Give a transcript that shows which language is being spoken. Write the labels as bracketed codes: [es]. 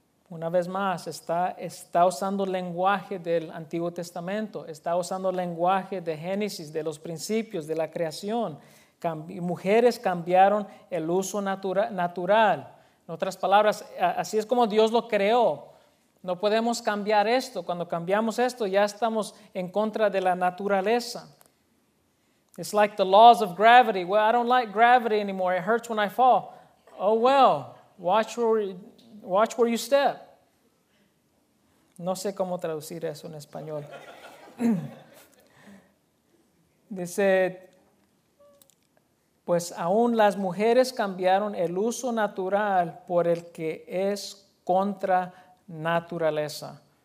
[es] Una vez más, está usando lenguaje del Antiguo Testamento, está usando lenguaje de Génesis, de los principios, de la creación. Mujeres cambiaron el uso natural. En otras palabras, así es como Dios lo creó. No podemos cambiar esto. Cuando cambiamos esto, ya estamos en contra de la naturaleza. [en] It's like the laws of gravity. Well, I don't like gravity anymore. It hurts when I fall. Oh, well, watch where you step. [es] No sé cómo traducir eso en español. Dice, pues aún las mujeres cambiaron el uso natural por el que es contra naturaleza.